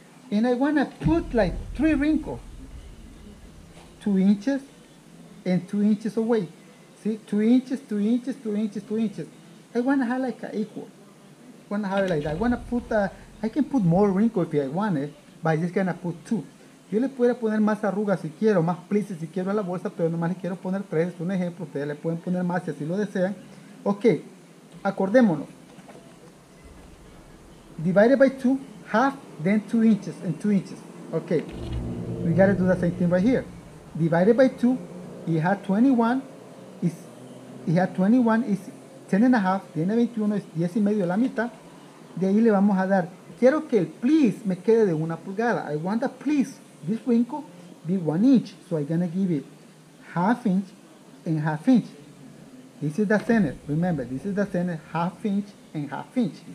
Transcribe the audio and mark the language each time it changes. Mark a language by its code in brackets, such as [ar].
[en] And I want to put like 3 wrinkles. 2 inches and 2 inches away. See, 2 inches, 2 inches, 2 inches, 2 inches. I want to have like an equal. I want to have it like that. I want to put, I can put more wrinkles if I want it, but I'm just going to put 2. [es] Yo le puedo poner más arrugas si quiero, más plices si quiero a la bolsa, pero nomás le quiero poner 3. Es un ejemplo, ustedes le pueden poner más si así lo desean. Ok, acordémonos. [en] Divided by 2, half, then 2 inches, and 2 inches. Ok, we got to do the same thing right here. Divided by 2, it has 21, is, it has 21, is 10 and a half, tiene 21, es 10 y medio, la mitad. [es] De ahí le vamos a dar, quiero que el please me quede de una pulgada. [en] I want the please. This wrinkle be 1 inch, so I'm gonna give it half inch and half inch. This is the center. Remember, this is the center, half inch and half inch.